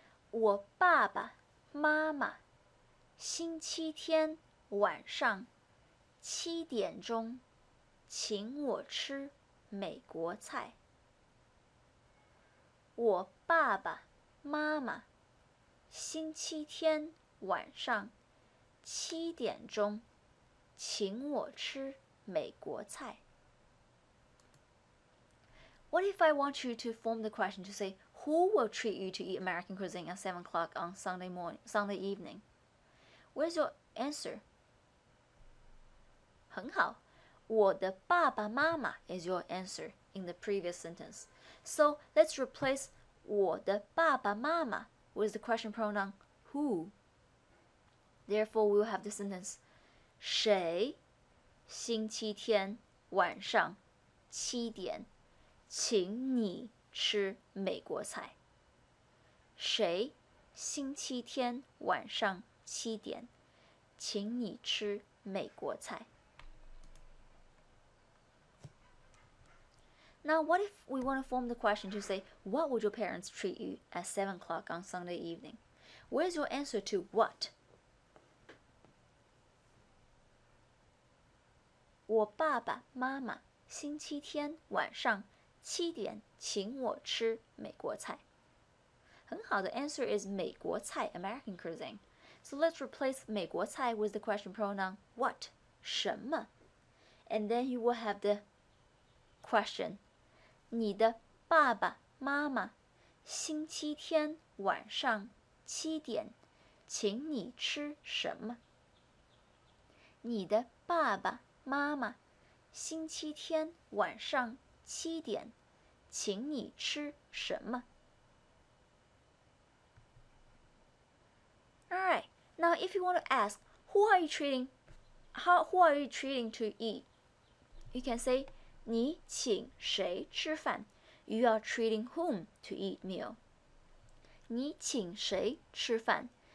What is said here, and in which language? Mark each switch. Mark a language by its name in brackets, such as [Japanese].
[Chinese] 我爸爸妈妈星期天晚上七点钟请我吃美国菜。我爸爸妈妈星期天晚上七点钟请我吃美国菜。 [English] What if I want you to form the question to say, who will treat you to eat American cuisine at 7 o'clock on Sunday morning, Sunday evening? Where's your answer? [Chinese] 很好。我的爸爸妈妈 [English] is your answer in the previous sentence. So let's replace [Chinese] 我的爸爸妈妈 [English] with the question pronoun who. Therefore, we'll have the sentence [Chinese] 谁星期天晚上七点请你吃美国菜。谁星期天晚上七点请你吃美国菜。 [English] Now, what if we want to form the question to say, what would your parents treat you at 7 o'clock on Sunday evening? Where's your answer to what? [Chinese] 我爸爸妈妈星期天晚上七点请我吃美国菜。很好, [English] the answer is [Chinese] 美国菜, [English] American cuisine. So let's replace 美国菜 with the question pronoun what? [Chinese] 什么? [English] And then you will have the question. [Chinese] 你的爸爸妈妈星期天晚上七点请你吃什么？你的爸爸妈妈星期天晚上七点请你吃什么？ [English] All right, now if you want to ask, who are you treating to eat? You can say, [Chinese] 你请谁吃饭? [English] You are treating whom to eat meal? [Chinese] 你请谁吃饭?